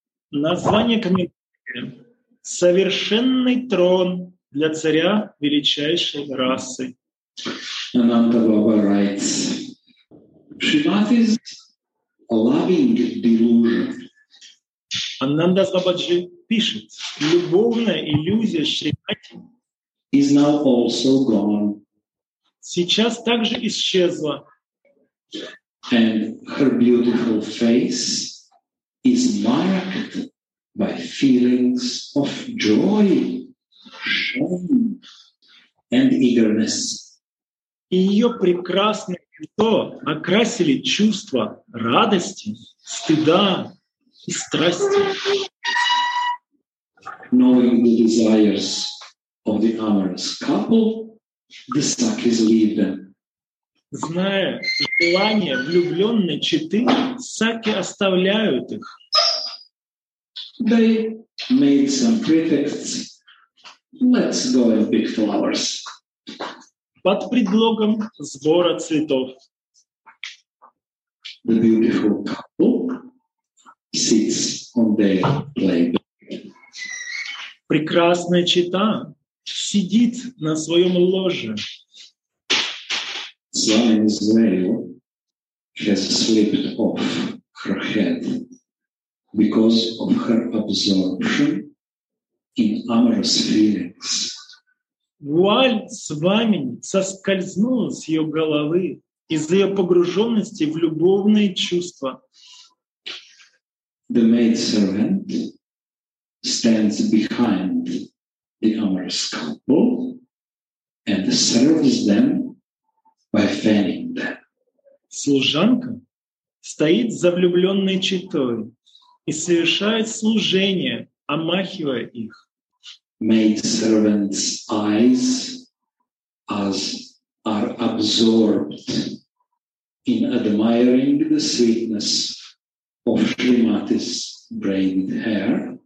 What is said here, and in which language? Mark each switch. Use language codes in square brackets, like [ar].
[ru] Название комментария: Совершенный трон для царя величайшей расы. [en] Ananda Baba writes: Shrimati's loving delusion. [ru] Ananda Babaji пишет: Любовная иллюзия Шримати [en] is now also gone. [ru] Сейчас также исчезла. [en] And her beautiful face is marked by feelings of joy, shame, and eagerness. [ru] Ее прекрасное лицо окрасили чувства радости, стыда и страсти. [en] Knowing the desires of the amorous couple, the sakis leave them. [ru] Зная желания влюбленной четы, саки оставляют их. [en] They made some pretexts. Let's go and pick flowers. [ru] Под предлогом сбора цветов. [en] The beautiful couple sits on their playbed. [ru] Прекрасная чета сидит на своем ложе. [en] Swami's veil has slipped off her head because of her absorption in amorous feelings. [ru] Вуаль Свами соскользнула с ее головы из-за ее погруженности в любовные чувства. [en] The maidservant stands behind the amorous couple and serves them by fanning them. [ru] Служанка стоит за влюбленной четой и совершает служение, омахивая их. [en] Maid servant's eyes as are absorbed in admiring the sweetness of Shrimati's braided hair.